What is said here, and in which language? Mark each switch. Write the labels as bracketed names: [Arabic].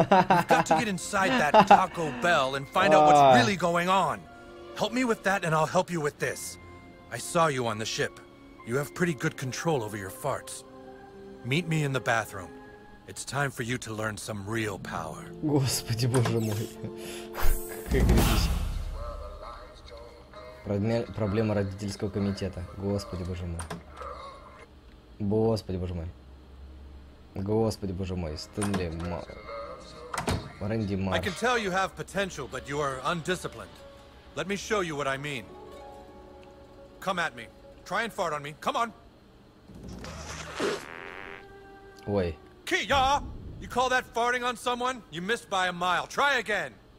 [English] You've got to get inside that Taco Bell and find out what's really going on. Help me with that and I'll help you with this. I saw you on the ship. You have pretty good control over your farts. Meet me in the bathroom. It's time for you to learn some real power. [Russian] Господи, боже мой. Как проблема родительского комитета. Господи, боже мой. Господи, боже мой. Господи, боже мой, Стэнли, Рэнди Марш. [English] I can tell you have potential, but you are undisciplined. Let me show you what I mean. Come at me. Try and fart on me. Come on. [Russian] Ой. [English] Kia! You call that farting on someone? You missed by a mile. Try again.